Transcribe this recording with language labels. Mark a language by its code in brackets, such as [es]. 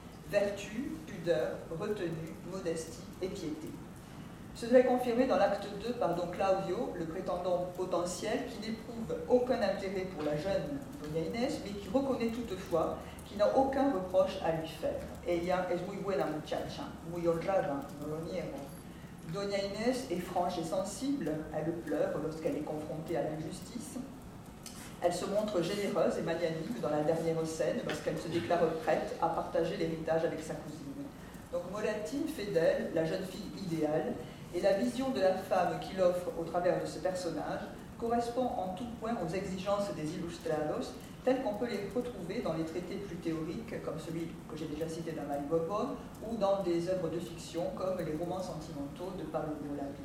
[fr] Vertu, pudeur, retenue, modestie et piété. Ce serait confirmé dans l'acte 2 par Don Claudio, le prétendant potentiel, qui n'éprouve aucun intérêt pour la jeune Doña Inés, mais qui reconnaît toutefois qu'il n'a aucun reproche à lui faire. [es] Ella es muy buena muchacha, muy honrada, no lo niego. [fr] Doña Inés est franche et sensible, elle pleure lorsqu'elle est confrontée à l'injustice. Elle se montre généreuse et magnanime dans la dernière scène lorsqu'elle se déclare prête à partager l'héritage avec sa cousine. Donc Moratín fait d'elle la jeune fille idéale et la vision de la femme qu'il offre au travers de ce personnage correspond en tout point aux exigences des ilustrados telles qu'on peut les retrouver dans les traités plus théoriques comme celui que j'ai déjà cité dans Mari Borbón ou dans des œuvres de fiction comme les romans sentimentaux de Pablo Neruda.